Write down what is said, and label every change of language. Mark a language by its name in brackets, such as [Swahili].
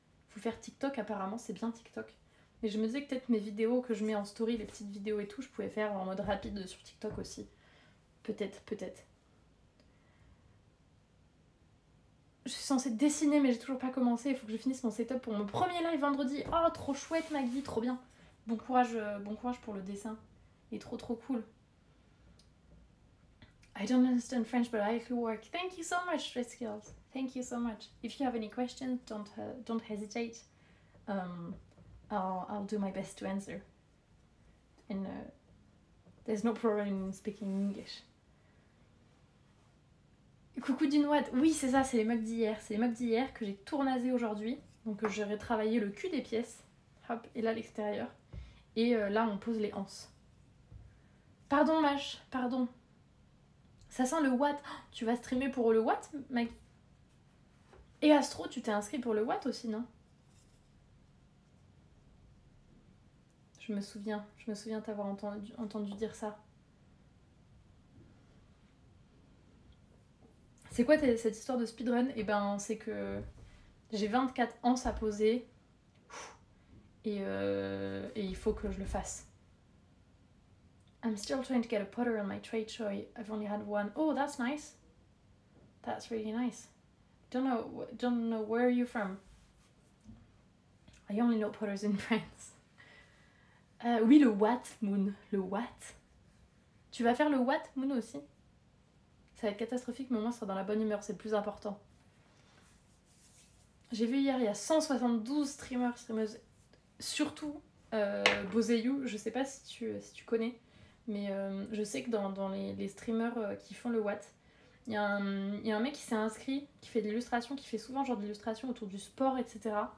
[French] Faut faire TikTok, apparemment, c'est bien TikTok. Mais je me disais que peut-être mes vidéos que je mets en story, les petites vidéos et tout, je pouvais faire en mode rapide sur TikTok aussi. Peut-être, peut-être. Je suis censée dessiner, mais j'ai toujours pas commencé. Il faut que je finisse mon setup pour mon premier live vendredi. Oh, trop chouette, Maggie, trop bien. Bon courage pour le dessin. Il est trop trop cool. [English] I don't understand French, but I feel work. Thank you so much, Red Skills. Thank you so much. If you have any questions, don't hesitate. I'll do my best to answer. And there's no problem in speaking English. [French] Coucou Dunwad. Oui, c'est ça, c'est les mugs d'hier. C'est les mugs d'hier que j'ai tournasé aujourd'hui. Donc j'ai retravaillé le cul des pièces. Hop, et là l'extérieur. Et là, on pose les anses. Pardon, Mash, pardon. Ça sent le Watt. Oh, tu vas streamer pour le Watt, mec. Et Astro, tu t'es inscrit pour le Watt aussi, non? Je me souviens t'avoir entendu dire ça. C'est quoi cette histoire de speedrun? Eh ben, c'est que j'ai 24 anses à poser. Et il faut que je le fasse. [English] I'm still trying to get a putter on my trade show. I've only had one. Oh, that's nice. That's really nice. Don't know where are you from. I only know putters in France. [French] Oui, le Watt Moon. Le Watt. Tu vas faire le Watt Moon aussi? Ça va être catastrophique, mais au moins, ça sera dans la bonne humeur. C'est le plus important. J'ai vu hier, il y a 172 streamers, streameuses. Surtout Bozeyu, je sais pas si tu connais, mais je sais que dans les streamers qui font le Watt, il y a un mec qui s'est inscrit, qui fait de l'illustration, qui fait souvent genre d'illustration autour du sport, etc.